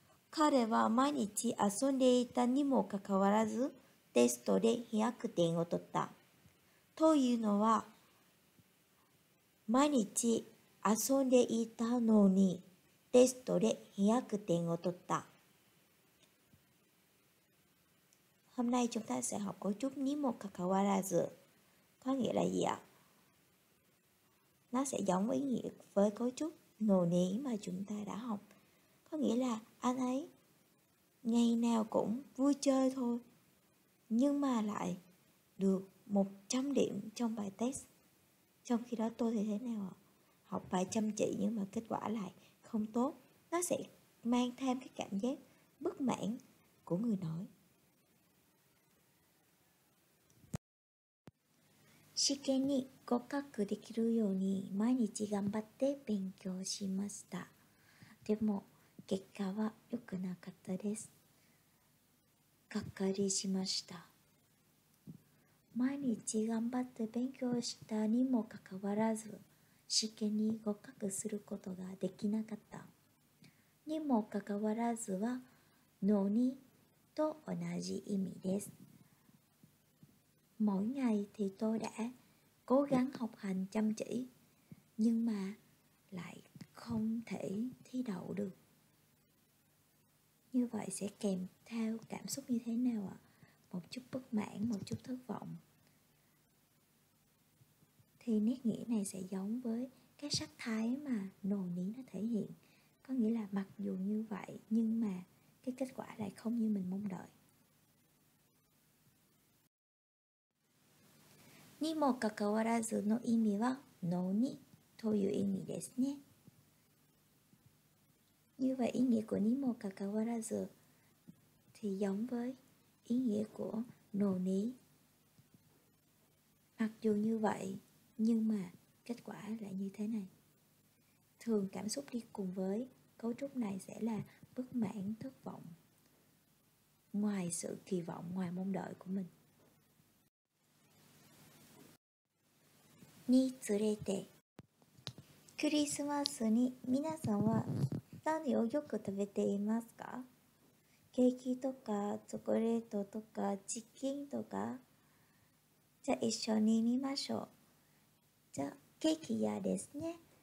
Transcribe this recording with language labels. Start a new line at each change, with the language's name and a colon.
Japanese: 彼は毎日遊んでいたにもかかわらず、テストで100点を取った。というのは、毎日遊んでいたのに、テストで100点を取った。
Vietnamese: Hôm nay chúng ta sẽ học cấu trúc ni mo kakawarazu. Có nghĩa là gì ạ? Nó sẽ giống với nghĩa với cấu trúc no ni mà chúng ta đã học. Có nghĩa là anh ấy ngày nào cũng vui chơi thôi, nhưng mà lại được 100 điểm trong bài test. Trong khi đó tôi thì thế nào ạ? Học bài chăm chỉ nhưng mà kết quả lại không tốt. Nó sẽ mang thêm cái cảm giác bất mãn của người nói.
Japanese: 試験に合格できるように毎日頑張って勉強しました。でも結果は良くなかったです。がっかりしました。毎日頑張って勉強したにもかかわらず、試験に合格することができなかった。にもかかわらずは、のにと同じ意味です。
Vietnamese: Mỗi ngày thì tôi đã cố gắng học hành chăm chỉ, nhưng mà lại không thể thi đậu được. Như vậy sẽ kèm theo cảm xúc như thế nào ạ? Một chút bất mãn, một chút thất vọng. Thì nét nghĩa này sẽ giống với cái sắc thái mà nồ nỉ nó thể hiện. Có nghĩa là mặc dù như vậy, nhưng mà cái kết quả lại không như mình mong đợi.
Japanese: にもかかわらずの意味は、のにという意味ですね。
Vietnamese: như vậy, ý nghĩa của にもかかわらず thì giống với ý nghĩa của のに。 mặc dù như vậy, nhưng mà kết quả lại như thế này. Thường cảm xúc đi cùng với cấu trúc này sẽ là bất mãn, thất vọng, ngoài sự kỳ vọng, ngoài mong đợi của mình.
Japanese: につれてクリスマスに皆さんは何をよく食べていますか？ケーキとかチョコレートとかチキンとか。じゃあ一緒に見ましょう。じゃあケーキ屋ですね。